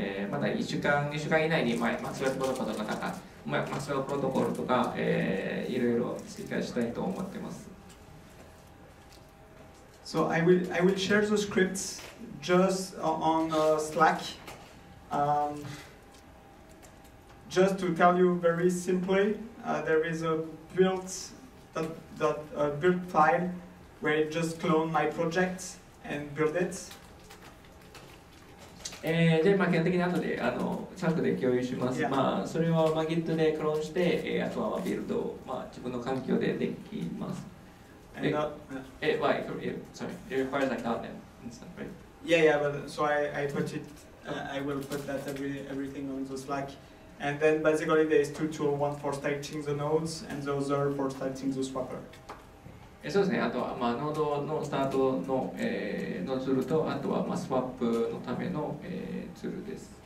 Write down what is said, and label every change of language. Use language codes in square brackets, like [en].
[ja] まだ1週間、2週間以内に、マスウェルプロトコルとか、マスウェルプロトコルとか、いろいろ追加したいと思ってます。 [en] So I will share the script just on Slack. Just to tell you very simply, there is a built file. Where it just clone my project and build it. [ja] で、基本的に後で、チャックで共有します。 [en] Yeah. [ja] それは、Git でクローンして、あとはビルドを、自分の環境でできます。 [en] It requires account and stuff, right? Yeah, but so I put it, I will put that everything on the Slack. And then basically there is two tools, one for starting the nodes and the other for starting the swapper. [ja] そうですね、あとは、ノードのスタートの、のツールと、あとは、スワップのための、ツールです。